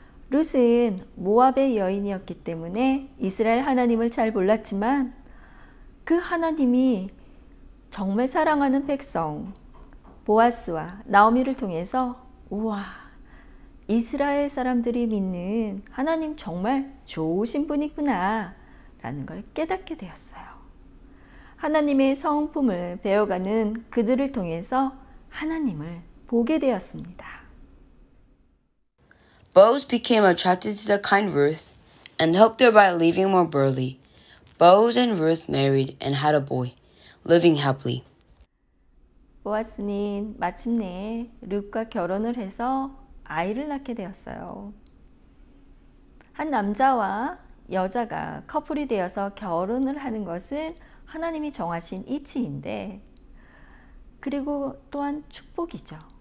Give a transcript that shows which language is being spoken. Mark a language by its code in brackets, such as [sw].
[ko] 룻은 모압의 여인이었기 때문에 이스라엘 하나님을 잘 몰랐지만 그 하나님이 정말 사랑하는 백성 보아스와 나오미를 통해서 우와 이스라엘 사람들이 믿는 하나님 정말 좋으신 분이구나 라는 걸 깨닫게 되었어요. 하나님의 성품을 배워가는 그들을 통해서 하나님을 보게 되었습니다. [en] Boaz became attracted to the kind Ruth and helped her by leaving more barley. Boaz and Ruth married and had a boy, living happily. [ko] 보아스는 마침내 룻과 결혼을 해서 아이를 낳게 되었어요. 한 남자와 여자가 커플이 되어서 결혼을 하는 것은 하나님이 정하신 이치인데 그리고 또한 축복이죠.